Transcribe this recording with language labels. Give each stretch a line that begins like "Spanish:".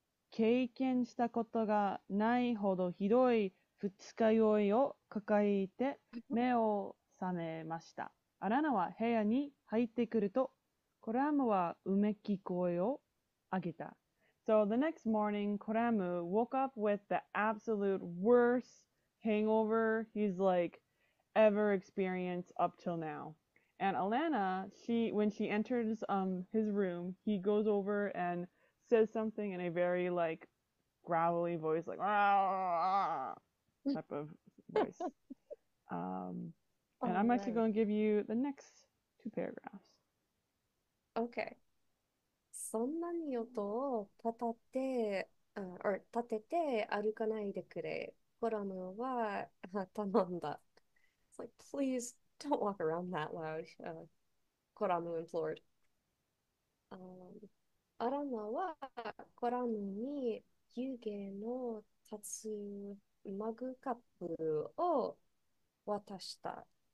Japanese: 経験したことがないほどひどい二日酔いを抱えて目を覚めました。アラナは部屋に入ってくると、コラムはうめき声を上げた。
English: So the next morning, Koramu woke up with the absolute worst hangover he's like ever experienced up till now. And Alanna, when she enters his room, he goes over and says something in a very like growly voice, like rah, type of voice. And All I'm actually going right. to give you the next two paragraphs. Okay.
Japanese: そんなに音を立てて、歩かないでくれ。コラムは頼んだ。
English: It's like, please don't walk around that loud, コラム implored.
Japanese: アランナはコラムに湯気の立つマグカップを渡した。